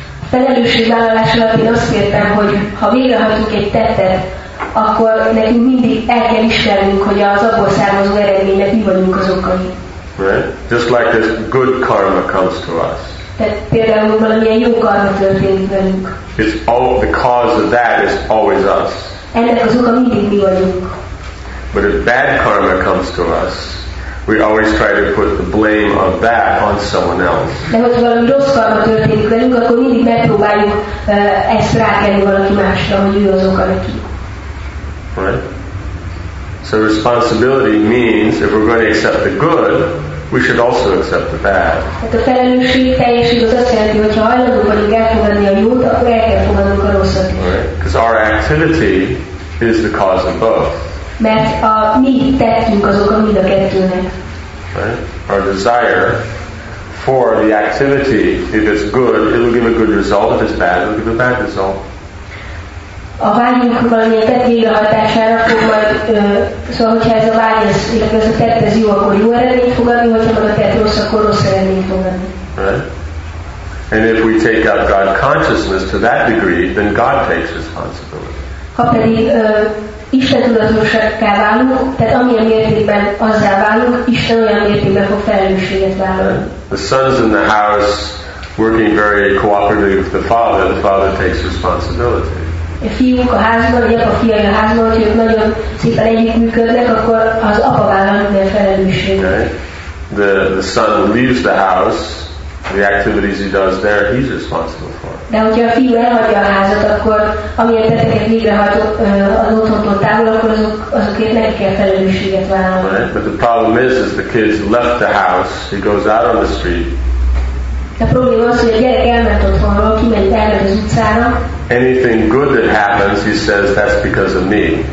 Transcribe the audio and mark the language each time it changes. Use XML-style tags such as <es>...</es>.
<hu>Felelősségvállalás alatt én azt értem, hogy ha végrehajtunk egy tettet, akkor nekünk mindig el kell ismernünk, hogy az abból származó eredménynek mi vagyunk az okai.</hu> <en>Right? Just like this good karma comes to us.</en> <hu>Tehát például valamilyen jó karma történik velünk.</hu> <en>It's all the cause of that is always us.</en> <hu>Ennek az oka mindig mi vagyunk.</hu> <en>But if bad karma comes to us, we always try to put the blame of that on someone else.</en> <hu>De ha valami rossz karma történik velünk, akkor mindig megpróbáljuk ezt rákenni valaki másra, hogy ő az oka neki.</hu> <en>Right? So responsibility means if we're going to accept the good, we should also accept the bad.</en> <hu>Hát a felelősség teljesség az azt jelenti, hogyha hajlandók vagyunk elfogadni a jót, akkor el kell fogadnunk a rosszat.</hu> <en>Because our activity is the cause of both.</en> <hu>Mert a mi tettünk az oka mind a kettőnek.</hu> <en>Right? Our desire for the activity, if it's good, it will give a good result. If it's bad, it will give a bad result.</en> <hu>A vágyunk valamilyen tett végrehajtására fog majd, szóval hogyha ez a vágy, illetve ez a tett, ez jó, akkor jó eredményt fog adni, hogyha meg a tett rossz, akkor rossz eredményt fog adni.</hu> <en>Right? And if we take up God consciousness to that degree, then God takes responsibility.</en> <hu>Ha pedig Isten tudatosságká válunk, tehát amilyen mértékben azzá válunk, Isten olyan mértékben fog felelősséget vállalni.</hu> <en>The sons in the house working very cooperatively with the father takes responsibility.</en> <hu>A fiúk a házban, vagy apa fiai a házban, hogy ők nagyon szépen együttműködnek, akkor az apa vállal minden felelősséget.</hu> <en>Okay. The son leaves the house, the activities he does there, he's responsible for.</en> <hu>De hogyha a fiú elhagyja a házat, akkor amilyen teteket végrehajtott az otthontól távol, akkor azokért meg kell felelősséget vállalni.</hu> <en>Okay. But the problem is the kid's left the house, he goes out on the street.</en> <hu>De a probléma az, hogy a gyerek elment otthonról, kiment elment az utcára.</hu> <en>Anything good that happens, he says, that's because of me.</en>